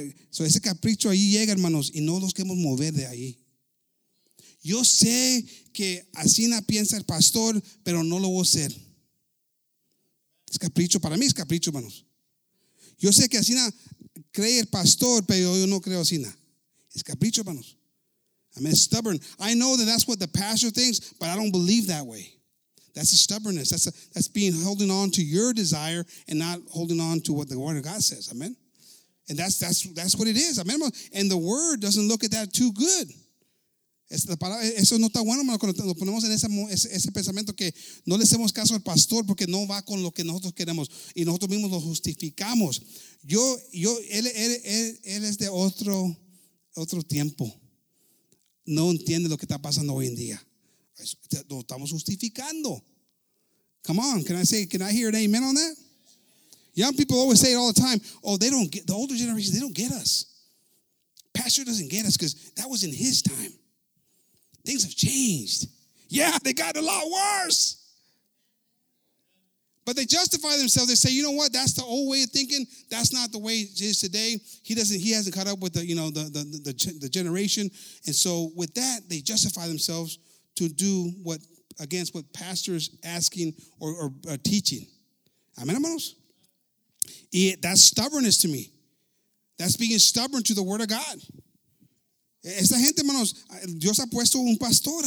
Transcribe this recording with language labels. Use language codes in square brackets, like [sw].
[es] So ese capricho ahí llega, hermanos, y no los queremos mover de ahí. Yo sé que así la piensa el pastor, pero no lo voy a hacer. Es capricho, para mí es capricho, hermanos. Yo sé que así la cree el pastor, pero yo no creo así. Es capricho, hermanos. [en] I'm stubborn. I know that that's what the pastor thinks, but I don't believe that way. That's a stubbornness. That's being holding on to your desire and not holding on to what the Word of God says. Amen. And that's what it is. Amen. And the Word doesn't look at that too good. [es] Eso no está bueno, hermano, cuando lo ponemos en ese pensamiento que no le hacemos caso al pastor porque no va con lo que nosotros queremos y nosotros mismos lo justificamos. Él es de otro tiempo. No entiende lo que está pasando hoy en día. Lo estamos justificando. [en] Come on, can I hear an amen on that? Young people always say it all the time. Oh, they don't get, the older generation, they don't get us. Pastor doesn't get us because that was in his time. Things have changed. Yeah, they got a lot worse. But they justify themselves. They say, you know what? That's the old way of thinking. That's not the way it is today. He hasn't caught up with the generation. And so with that, they justify themselves to do what against what pastors asking or teaching. Amen, hermanos? That's stubbornness to me. That's being stubborn to the Word of God. [es] Esta gente, hermanos, Dios ha puesto un pastor.